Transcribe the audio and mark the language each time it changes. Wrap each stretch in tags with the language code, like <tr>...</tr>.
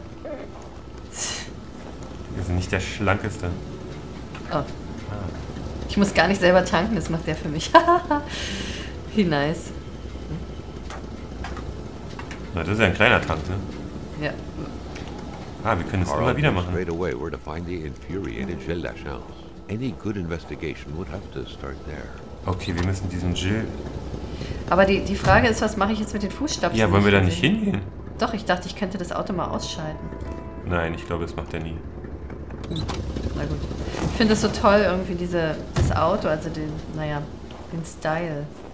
<de>Wir sind nicht der Schlankeste. Oh. Ah. Ich muss gar nicht selber tanken, das macht der für mich. Wie nice. Na, das ist ja ein kleiner Tank, ne? Ja. Ah, wir können es immer wieder machen.</de> <en>Straight away were to find the infuriated Jill Lachance. Any good investigation would have to start there.</en> <de>Okay, wir müssen diesen Jill. Aber die Frage ist, was mache ich jetzt mit den Fußstapfen? Ja, wollen wir da nicht hingehen? Doch, ich dachte, ich könnte das Auto mal ausschalten. Nein, ich glaube, das macht er nie. Na gut. Ich finde es so toll, irgendwie das Auto, also den Style.</de>